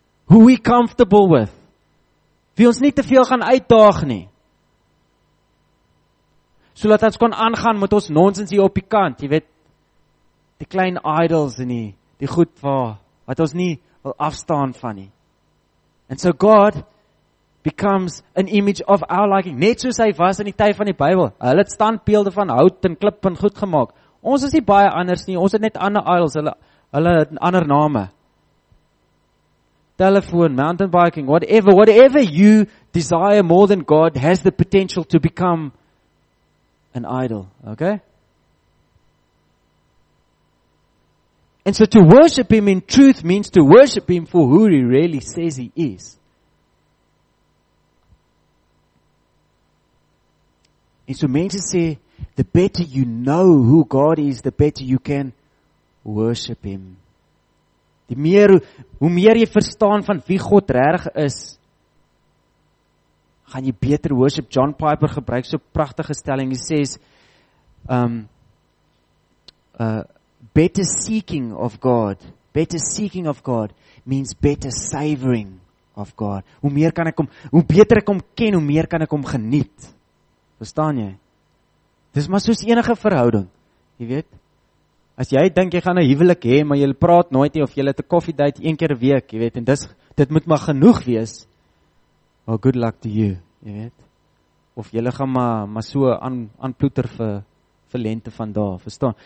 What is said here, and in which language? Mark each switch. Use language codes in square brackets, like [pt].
[en] Who we comfortable with. [af] Wie ons nie te veel gaan uitdaag nie. So laat ons kon aangaan met ons nonsens hier op die kant, jy weet, die klein idols en die goed wat ons nie wil afstaan van nie. [en] And so God becomes an image of our liking, [af] net soos hy was in die tyd van die Bybel. Hulle het standbeelde van hout en klip en goed gemaak. Ons is nie baie anders nie, ons het net ander [en] idols, [af] hulle het ander name. [en] Telefoon, mountain biking, whatever you desire more than God has the potential to become an idol, okay? And so to worship him in truth means to worship him for who he really says he is. And so [af] mense sê, [en] the better you know who God is, the better you can worship him. [af] Die meer, hoe meer jy verstaan van wie God regtig is, gaan jy beter worship. John Piper gebruik so pragtige stelling, hy sê, [en] better seeking of God means better savoring of God. [af] Hoe meer kan ek hom, hoe beter ek hom ken, hoe meer kan ek hom geniet. Verstaan jy? Dis maar soos enige verhouding, jy weet. As jy dink jy gaan 'n huwelik hê, maar jy praat nooit nie of jy het 'n koffiedate een keer 'n week, jy weet, en dit moet maar genoeg wees. [en] Well, good luck to you, [af] jy weet. Of jy gaan maar so aanploeter vir lente van daar, verstaan?